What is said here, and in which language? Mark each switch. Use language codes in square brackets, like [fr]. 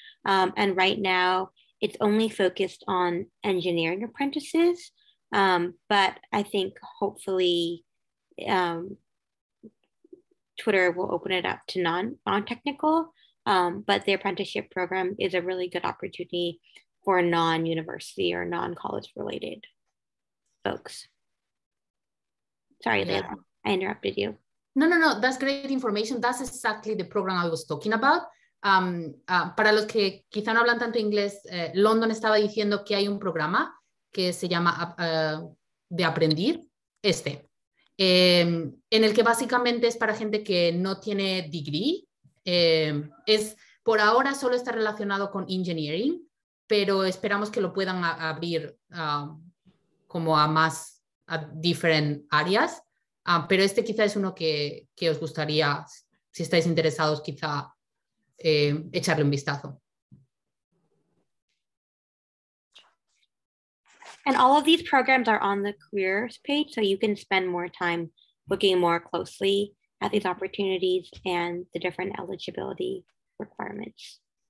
[en] And right now, it's only focused on engineering apprentices, but I think hopefully Twitter will open it up to non-technical, but the apprenticeship program is a really good opportunity for non-university or non-college related folks. Sorry, Leila, I interrupted you. No, that's great information. That's exactly the program I was talking about. [es] Para los que quizá no hablan tanto inglés, London estaba diciendo que hay un programa que se llama de aprender, en el que básicamente es para gente que no tiene degree. Es por ahora solo está relacionado con engineering, pero esperamos que lo puedan abrir como a más a different áreas. Pero este quizá es uno que os gustaría, si estáis interesados, quizá echarle un vistazo. [en] And all of these programs are on the careers page, so you can spend more time looking more closely at these opportunities and the different eligibility requirements.